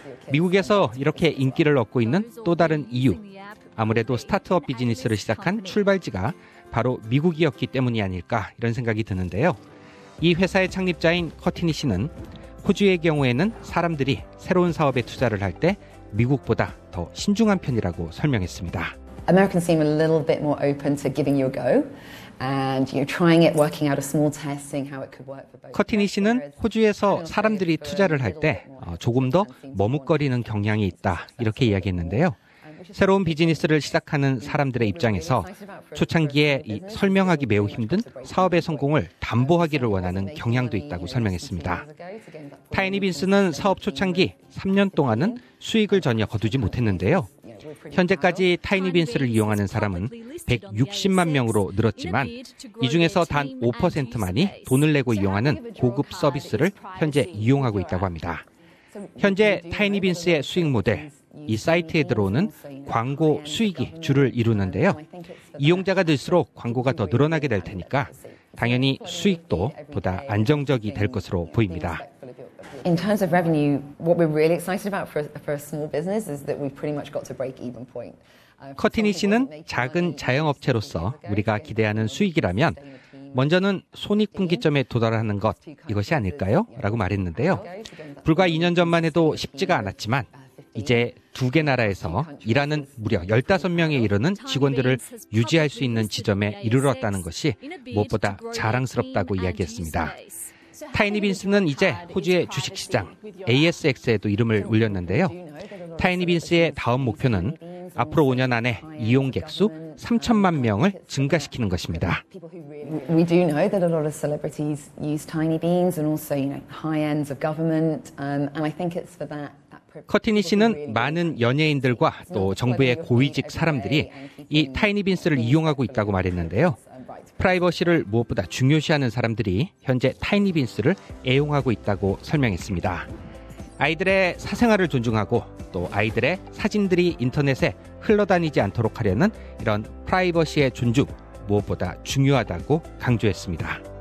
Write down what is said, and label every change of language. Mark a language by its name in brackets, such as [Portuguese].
[Korean] 미국에서 이렇게 인기를 얻고 있는 또 다른 이유, 아무래도 스타트업 비즈니스를 시작한 출발지가 바로 미국이었기 때문이 아닐까 이런 생각이 드는데요. 이 회사의 창립자인 커티니 씨는 호주의 경우에는 사람들이 새로운 사업에 투자를 할 때 미국보다 더 신중한 편이라고 설명했습니다. [English] Americans seem a little bit more open to giving you a go and you're trying it, working out a small test, seeing how it could work for both. [Korean] 커티니 씨는 호주에서 사람들이 투자를 할 때 조금 더 머뭇거리는 경향이 있다 이렇게 이야기했는데요. 새로운 비즈니스를 시작하는 사람들의 입장에서 초창기에 이 설명하기 매우 힘든 사업의 성공을 담보하기를 원하는 경향도 있다고 설명했습니다. 타이니 빈스는 사업 초창기 3년 동안은 수익을 전혀 거두지 못했는데요. 현재까지 타이니 빈스를 이용하는 사람은 160만 명으로 늘었지만 이 중에서 단 5%만이 돈을 내고 이용하는 고급 서비스를 현재 이용하고 있다고 합니다. 현재 타이니 빈스의 수익 모델, 이 사이트에 들어오는 광고 수익이 주를 이루는데요. 이용자가 늘수록 광고가 더 늘어나게 될 테니까 당연히 수익도 보다 안정적이 될 것으로 보입니다. [English] In terms of revenue, what we're really excited about for a small business is that we've pretty much got to break even point. [Korean] 커티니 씨는 작은 자영업체로서 우리가 기대하는 수익이라면 먼저는 손익분기점에 도달하는 것, 이것이 아닐까요? 라고 말했는데요. 불과 2년 전만 해도 쉽지가 않았지만 이제 두 개 나라에서 일하는 무려 15명에 이르는 직원들을 유지할 수 있는 지점에 이르렀다는 것이 무엇보다 자랑스럽다고 이야기했습니다. 타이니빈스는 이제 호주의 주식시장 ASX에도 이름을 올렸는데요. 타이니빈스의 다음 목표는 앞으로 5년 안에 이용객 수 3천만 명을 증가시키는 것입니다. [English] We do know that a lot of celebrities use Tiny Beans and also, you know, high ends of government. And I think it's for that. [Korean] 커티니 씨는 많은 연예인들과 또 정부의 고위직 사람들이 이 타이니 빈스를 이용하고 있다고 말했는데요. 프라이버시를 무엇보다 중요시하는 사람들이 현재 타이니 빈스를 애용하고 있다고 설명했습니다. 아이들의 사생활을 존중하고 또 아이들의 사진들이 인터넷에 흘러다니지 않도록 하려는 이런 프라이버시의 존중, 무엇보다 중요하다고 강조했습니다.